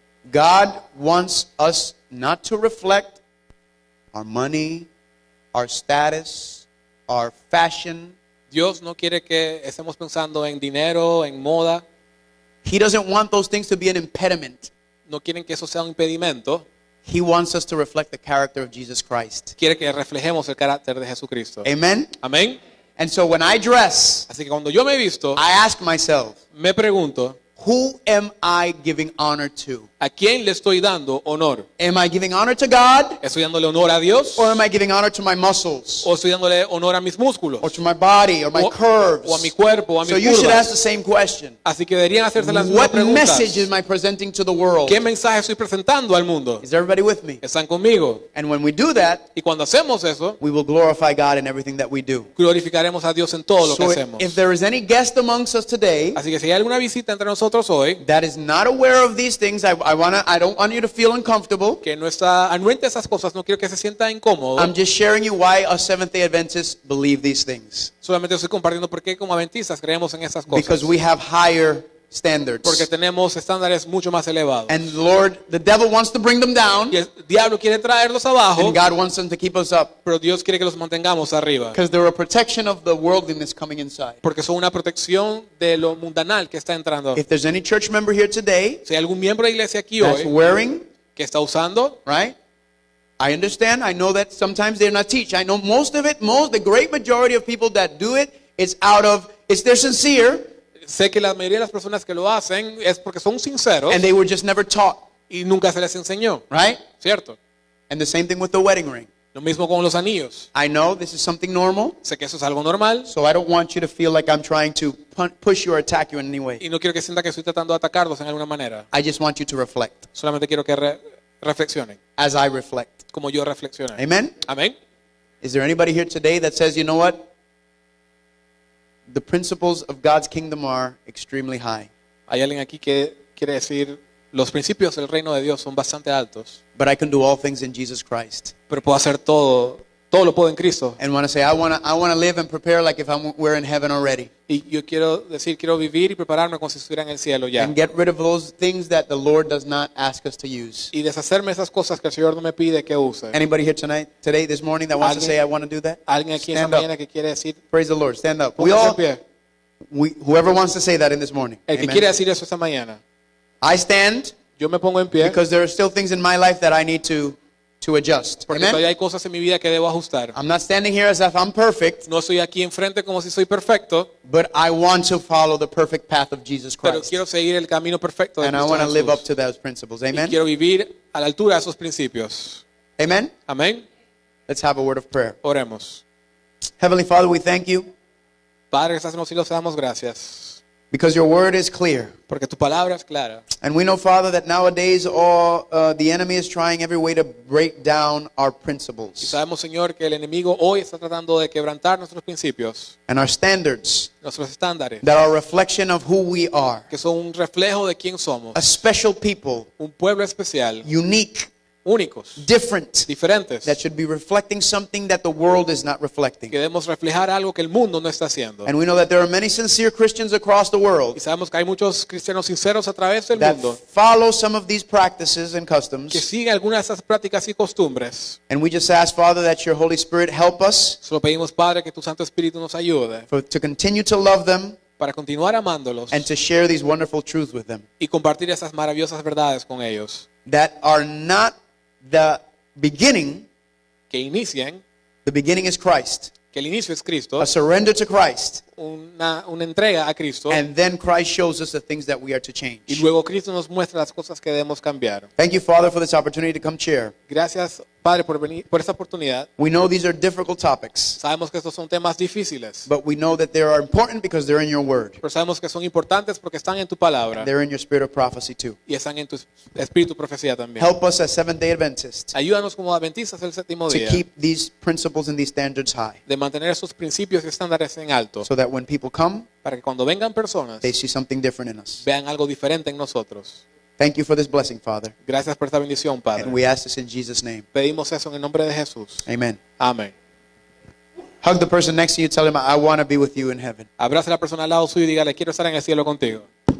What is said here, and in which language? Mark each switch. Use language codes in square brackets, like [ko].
[en] God wants us not to reflect our money, our status, our fashion. [es] Dios no quiere que estemos pensando en dinero, en moda. [en] He doesn't want those things to be an impediment. [es] No quieren que eso sea un impedimento. [en] He wants us to reflect the character of Jesus Christ. [es] Quiere que reflejemos el carácter de Jesucristo. [en] Amen. [es] Amen. [en] And so when I dress, [es] así que cuando yo me visto, [en] I ask myself, [es] me pregunto, [en] who am I giving honor to? [es] ¿A quién le estoy dando honor? [en] Am I giving honor to God? [es] ¿Estoy dándole honor a Dios? [en] Or am I giving honor to my muscles? [es] ¿O estoy dándole honor a mis músculos? [en] Or to my body or my curves? [es] ¿O a mi cuerpo, a mis [en] curvas? So you should ask the same question. [es] Así que deberían hacerse las mismas [en] what [es] preguntas. [en] What message am I presenting to the world? [es] ¿Qué mensaje estoy presentando al mundo? [en] Is everybody with me? [es] ¿Están conmigo? [en] And when we do that, [es] y cuando hacemos eso, [en] we will glorify God in everything that we do. [es] Glorificaremos a Dios en todo lo [en] so [es] que hacemos. [en] If there is any guest amongst us today, [es] así que si hay alguna visita entre nosotros hoy, [en] that is not aware of these things, I don't want you to feel uncomfortable. [es] Que no está anuente esas cosas. No quiero que se sienta incómodo. [en] I'm just sharing you why us Seventh-day Adventists believe these things. [es] Solamente estoy compartiendo por qué como adventistas creemos en esas cosas. [en] Because we have higher standards. [es] Porque tenemos estándares mucho más elevados. [en] And Lord, the devil wants to bring them down. [es] Y el diablo quiere traerlos abajo. [en] And God wants them to keep us up. [es] Pero Dios quiere que los mantengamos arriba. [en] Because they're a protection of the worldliness coming inside. [es] Porque son una protección de lo mundanal que está entrando. [en] If there's any church member here today, [es] si hay algún miembro de iglesia aquí hoy, [en] that's wearing, [es] que está usando, [en] right? I understand. I know that sometimes they're not teaching. I know most of it. Most, the great majority of people that do it is out of. It's they're sincere. [es] Sé que la mayoría de las personas que lo hacen es porque son sinceros. [en] And they were just never taught. [es] Y nunca se les enseñó. [en] Right? [es] Cierto. [en] And the same thing with the wedding ring. [es] Lo mismo con los anillos. [en] I know this is something normal. [es] Sé que eso es algo normal. [en] So I don't want you to feel like I'm trying to push you or attack you in any way. [es] Y no quiero que sienta que estoy tratando de atacarlos en alguna manera. [en] I just want you to reflect. [es] Solamente quiero que reflexionen. [en] As I reflect. [es] Como yo reflexiono. [en] Amen. [es] Amen. [en] Is there anybody here today that says, you know what? The principles of God's kingdom are extremely high. [es] Hay alguien aquí que quiere decir los principios del reino de Dios son bastante altos. [en] But I can do all things in Jesus Christ. [es] Pero puedo hacer todo, todo lo puedo en Cristo. [en] And want to say, I want to live and prepare like if we're in heaven already. [es] Y yo quiero decir, quiero vivir y prepararme como si estuviera en el cielo ya. [en] And get rid of those things that the Lord does not ask us to use. [es] Y deshacerme esas cosas que el Señor no me pide que use. [en] Anybody here tonight, today, this morning that wants to say, I want to do that? [es] ¿Alguien aquí esta mañana que quiere decir? [en] Praise the Lord, stand up. Whoever wants to say that in this morning. [es] El que quiere decir eso esta mañana. [en] I stand. [es] Yo me pongo en pie. [en] Because there are still things in my life that I need to adjust. [es] Hay cosas en mi vida que debo ajustar. [en] I'm not standing here as if I'm perfect. [es] No estoy aquí enfrente como si soy perfecto. [en] But I want to follow the perfect path of Jesus Christ. [es] Pero quiero seguir el camino perfecto de Cristo Jesús. [en] And I want to live up to those principles. Amen. [es] Y quiero vivir a la altura de esos principios. Amen. Amen. [en] Let's have a word of prayer. [es] Oremos. [en] Heavenly Father, we thank you. [es] Padre, estás en los cielos, te damos gracias. [en] Because your word is clear. [es] Porque tu palabra es clara. [en] And we know, Father, that nowadays the enemy is trying every way to break down our principles. [es] Y sabemos, Señor, que el enemigo hoy está tratando de quebrantar nuestros principios. [en] And our standards. [es] Nuestros estándares. [en] That are a reflection of who we are. [es] Que son un reflejo de quién somos. [en] A special people. [es] Un pueblo especial. [en] Unique. [es] Únicos. [en] Different. [es] Diferentes. [en] That should be reflecting something that the world is not reflecting. [es] Que debemos reflejar algo que el mundo no está haciendo. [en] And we know that there are many sincere Christians across the world. [es] Y sabemos que hay muchos cristianos sinceros a través del mundo. [en] That follow some of these practices and customs. [es] Que siguen algunas de esas prácticas y costumbres. [en] And we just ask, Father, that your Holy Spirit help us. [es] Solo pedimos, Padre, que tu Santo Espíritu nos ayude. [en] For to continue to love them. [es] Para continuar amándolos. [en] And to share these wonderful truths with them. [es] Y compartir esas maravillosas verdades con ellos. [en] That are not the beginning, [es] que inicien, [en] the beginning is Christ. [es] Que el inicio es Cristo, [en] a surrender to Christ. [es] Una entrega a Cristo, [en] and then Christ shows us the things that we are to change. [es] Y luego Cristo nos muestra las cosas que debemos cambiar. [en] Thank you, Father, for this opportunity to come share. [es] Gracias, Padre, por venir, por esta oportunidad. [en] We know these are difficult topics. [es] Sabemos que estos son temas difíciles. [en] But we know that they are important because they're in your word. [es] Pero sabemos que son importantes porque están en tu palabra. [en] And they're in your spirit of prophecy too. [es] Y están en tu espíritu profecía también. [en] Help us as Seventh-day Adventists. [es] Ayúdanos como adventistas el séptimo día. [en] To keep these principles and these standards high. [es] De mantener esos principios y estándares en alto. [en] So that when people come, [es] para que cuando vengan personas, [en] they see something different in us. [es] Vean algo diferente en nosotros. [en] Thank you for this blessing, Father. [es] Gracias por esta bendición, Padre. [en] And we ask this in Jesus' name. [es] Pedimos eso en el nombre de Jesús. [en] Amen. [es] Amen. [en] Hug the person next to you. Tell him, I want to be with you in heaven. [es] Abraza a la persona al lado suyo y dígale, quiero estar en el cielo contigo.